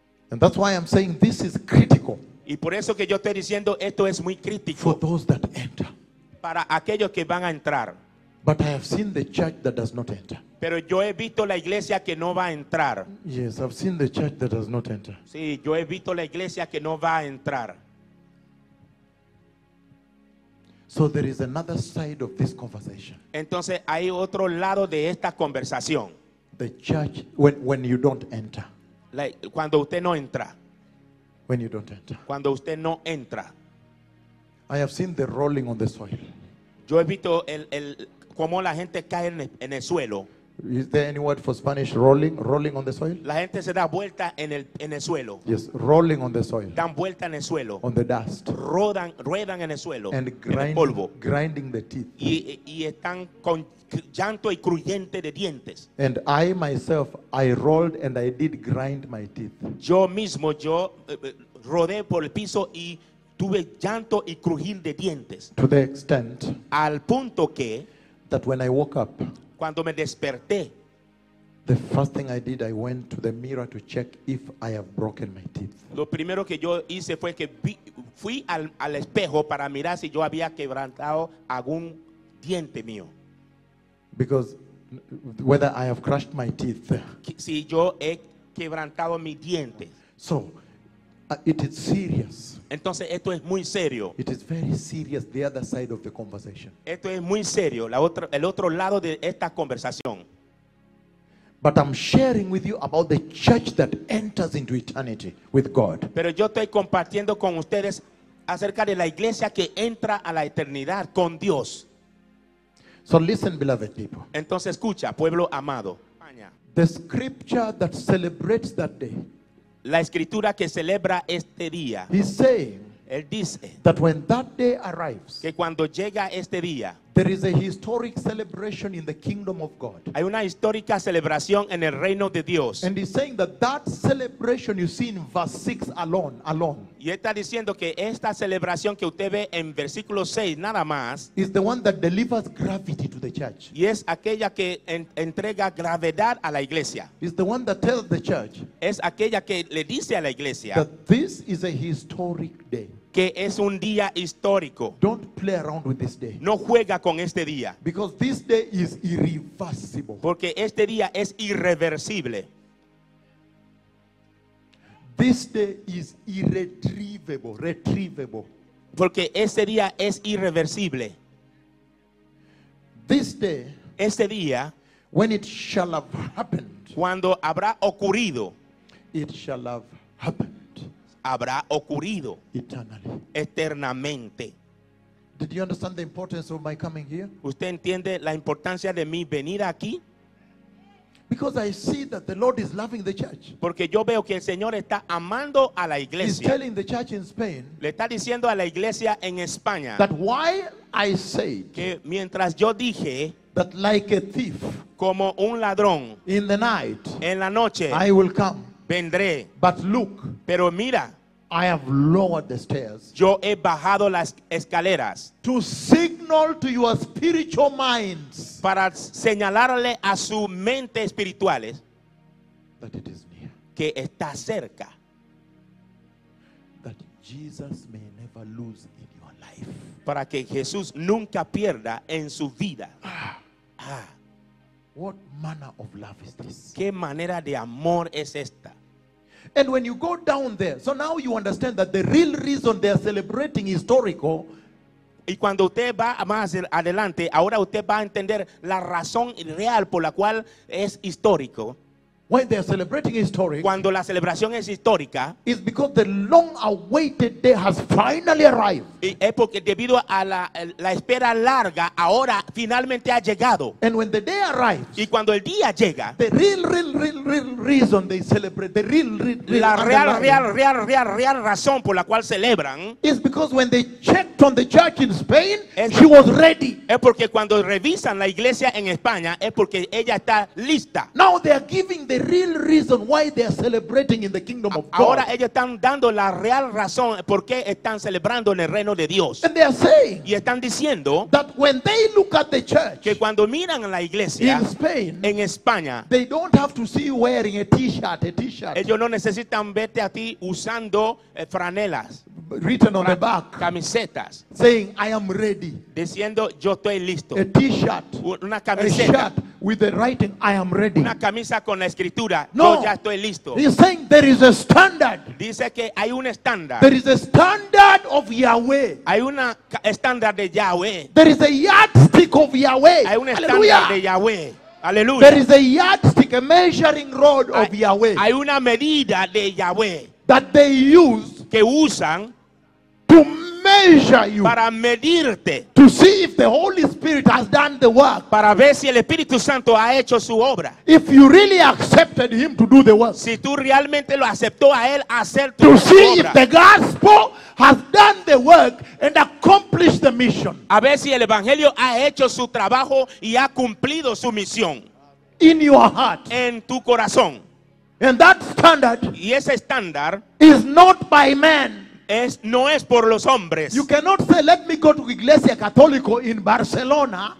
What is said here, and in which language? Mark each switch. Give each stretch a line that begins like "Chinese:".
English: And that's why I'm saying this is critical.
Spanish: Y por eso que yo estoy diciendo esto es muy crítico.
English: For those that enter.
Spanish: Para aquellos que van a entrar.
English: But I have seen the church that does not enter.
Spanish: Pero yo he visto la iglesia que no va a entrar.
English: Yes, I've seen the church that does not enter.
Spanish: Sí, yo he visto la iglesia que no va a entrar.
English: So there is another side of this conversation.
Spanish: Entonces hay otro lado de esta conversación.
English: The church when you don't enter.
Spanish: Like, cuando usted no entra.
English: When you don't enter.
Spanish: Cuando usted no entra.
English: I have seen the rolling on the soil.
Spanish: Yo he visto el cómo la gente cae en el suelo.
English: Is there any word for Spanish rolling? Rolling on the soil?
Spanish: La gente se da vuelta en el suelo.
English: Yes, rolling on the soil.
Spanish: Dan vuelta en el suelo.
English: On the dust.
Spanish: Ruedan en el suelo.
English: And grinding,
Spanish: en el polvo.
English: Grinding the teeth.
Spanish: Y están con llanto y crujiente de dientes.
English: And I myself, I rolled and I did grind my teeth.
Spanish: Yo mismo, yo rodé por el piso y tuve llanto y crujir de dientes.
English: To the extent.
Spanish: Al punto que.
English: That when I woke up.
Spanish: Cuando me desperté,
English: the first thing I did, I went to the mirror to check if I have broken my teeth.
Spanish: Lo primero que yo hice fue que fui al espejo para mirar si yo había quebrantado algún diente mío.
English: Because whether I have crushed my teeth.
Spanish: Si yo he quebrantado mis dientes.
English: So, it is serious.
Spanish: Entonces esto es muy serio.
English: It is very serious, the other side of the conversation.
Spanish: Esto es muy serio, el otro lado de esta conversación.
English: But I'm sharing with you about the church that enters into eternity with God.
Spanish: Pero yo estoy compartiendo con ustedes acerca de la iglesia que entra a la eternidad con Dios.
English: So listen, beloved people.
Spanish: Entonces escucha, pueblo amado.
English: The scripture that celebrates that day.
Spanish: La escritura que celebra este día.
English: He's saying,
Spanish: él dice,
English: that when that day arrives,
Spanish: que cuando llega este día,
English: there is a historic celebration in the kingdom of God.
Spanish: Hay una histórica celebración en el reino de Dios.
English: And he's saying that celebration you see in verse 6 alone.
Spanish: Y está diciendo que esta celebración que usted ve en versículo 6 nada más,
English: is the one that delivers gravity to the church.
Spanish: Y es aquella que entrega gravedad a la iglesia.
English: Is the one that tells the church.
Spanish: Es aquella que le dice a la iglesia.
English: That this is a historic day.
Spanish: Que es un día histórico.
English: Don't play around with this day.
Spanish: No juega con este día.
English: Because this day is irreversible.
Spanish: Porque este día es irreversible.
English: This day is irretrievable.
Spanish: Porque este día es irreversible.
English: This day,
Spanish: este día,
English: when it shall have happened,
Spanish: cuando habrá ocurrido,
English: it shall have happened.
Spanish: Habrá ocurrido
English: eternally.
Spanish: Eternamente.
English: Did you understand the importance of my coming here?
Spanish: ¿Usted entiende la importancia de mi venir aquí?
English: Because I see that the Lord is loving the church.
Spanish: Porque yo veo que el Señor está amando a la iglesia.
English: He's telling the church in Spain.
Spanish: Le está diciendo a la iglesia en España.
English: That while I say
Spanish: que mientras yo dije
English: that like a thief
Spanish: como un ladrón
English: in the night
Spanish: en la noche
English: I will come.
Spanish: Vendré.
English: But look,
Spanish: pero mira,
English: I have lowered the stairs.
Spanish: Yo he bajado las escaleras
English: to signal to your spiritual minds
Spanish: para señalarle a su mente espirituales
English: that it is near.
Spanish: Que está cerca.
English: That Jesus may never lose in your life.
Spanish: Para que Jesús nunca pierda en su vida.
English: What manner of love is this?
Spanish: ¿Qué manera de amor es esta?
English: And when you go down there, so now you understand that the real reason they are celebrating historical.
Spanish: Y cuando usted va más adelante, ahora usted va a entender la razón real por la cual es histórico.
English: When they are celebrating historic,
Spanish: cuando la celebración es histórica,
English: is because the long-awaited day has finally arrived.
Spanish: Y es porque debido a la espera larga, ahora finalmente ha llegado.
English: And when the day arrives,
Spanish: y cuando el día llega,
English: the real reason they celebrate, the real
Spanish: la real razón por la cual celebran,
English: is because when they checked on the church in Spain, she was ready.
Spanish: Es porque cuando revisan la iglesia en España, es porque ella está lista.
English: Now they are giving the real reason why they are celebrating in the kingdom of God.
Spanish: Ahora ellos están dando la real razón por qué están celebrando en el reino de Dios.
English: And they are saying,
Spanish: y están diciendo,
English: that when they look at the church,
Spanish: que cuando miran a la iglesia
English: in Spain,
Spanish: en España,
English: they don't have to see you wearing a t-shirt.
Spanish: Ellos no necesitan verte a ti usando franelas.
English: Written on the back,
Spanish: camisetas,
English: saying I am ready,
Spanish: diciendo yo estoy listo,
English: a t-shirt,
Spanish: una camiseta,
English: a shirt with the writing I am ready,
Spanish: una camisa con la escritura,
English: no,
Spanish: yo ya estoy listo.
English: He's saying there is a standard,
Spanish: dice que hay un estándar,
English: there is a standard of Yahweh,
Spanish: hay una estándar de Yahweh,
English: there is a yardstick of Yahweh,
Spanish: hay un estándar de Yahweh.
English: Hallelujah. There is a yardstick, a measuring rod of Yahweh,
Spanish: hay una medida de Yahweh
English: that they use,
Spanish: que usan,
English: to measure you,
Spanish: para medirte,
English: to see if the Holy Spirit has done the work,
Spanish: para ver si el Espíritu Santo ha hecho su obra.
English: If you really accepted him to do the work,
Spanish: si tú realmente lo aceptó a él hacer tu
English: to
Spanish: obra,
English: see if the gospel has done the work and accomplished the mission,
Spanish: a ver si el evangelio ha hecho su trabajo y ha cumplido su misión.
English: In your heart,
Spanish: en tu corazón.
English: And that standard,
Spanish: y ese standard,
English: is not by man.
Spanish: Es, no es por los hombres.
English: You cannot say, let me go to Iglesia Católica in Barcelona.